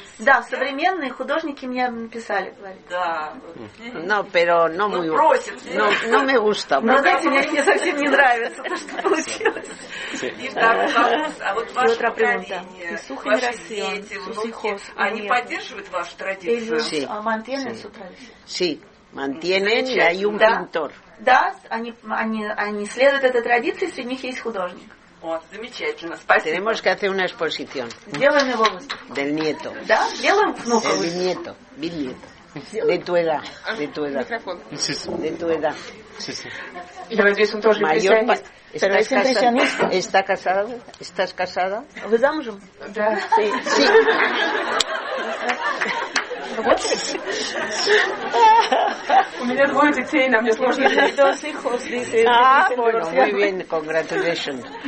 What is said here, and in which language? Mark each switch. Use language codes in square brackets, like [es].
[ru] Да, современные художники мне писали. Да. [es] No, pero no muy. No me gusta. [ru] Но знаете, мне совсем не нравится то, что получилось. И второй вопрос. А вот ваше поколение, ваши дети, внуки, они поддерживают вашу традицию? [es] Mantienen su tradición. Sí. Mantienen y hay un pintor. [ru] Да, они следуют этой традиции, среди них есть художник. Вот, замечательно, спасибо. [es] Tenemos que hacer una exposición. [ru] Делаем его выставку. [es] Del nieto. [ru] Да, делаем внуков. [es] Del nieto, bisnieto. De tu edad, de tu edad. [ru] Микрофон. [es] De tu edad. [ru] Я надеюсь, он тоже импрессионист. [es] Pero es impresionista. Está casado, estás casada. [ru] Вы замужем? Да. [es] Sí. [ru] У меня двое детей, нам не сложно. [es] Dos hijos, dice. Ah, bueno, muy bien, [en] congratulations.